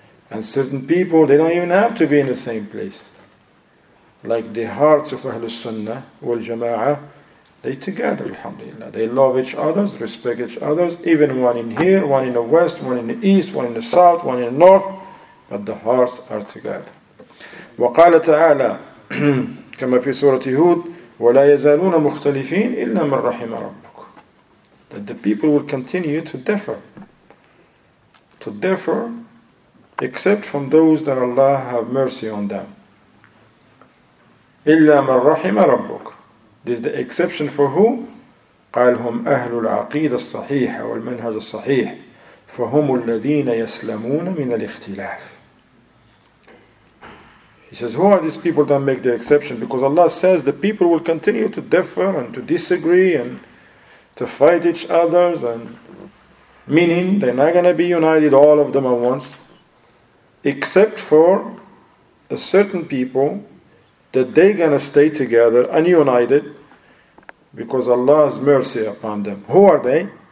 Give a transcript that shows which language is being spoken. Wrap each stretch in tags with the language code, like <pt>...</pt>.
<en>And certain people, they don't even have to be in the same place. Like the hearts of Ahlul Sunnah wal Jama'ah, they together, alhamdulillah. They love each other, respect each other, even one in here, one in the west, one in the east, one in the south, one in the north. But the hearts are together.</en> <ar>وقال تعالى كما في سورة هود ولا يزالون مختلفين إلا من رحم ربك.</ar> <en>That the people will continue to differ. To differ except from those that Allah have mercy on them.</en> <ar>إلا من رحم ربك.</ar> <en>This is the exception for who?</en> <ar>قال هم أهل العقيدة الصحيحة والمنهج الصحيح فهم الذين يسلمون من الاختلاف.</ar> <en>He says, who are these people that make the exception? Because Allah says the people will continue to differ and to disagree and to fight each other, and meaning they're not going to be united, all of them at once, except for a certain people that they're going to stay together and united because Allah has mercy upon them. Who are they?</en>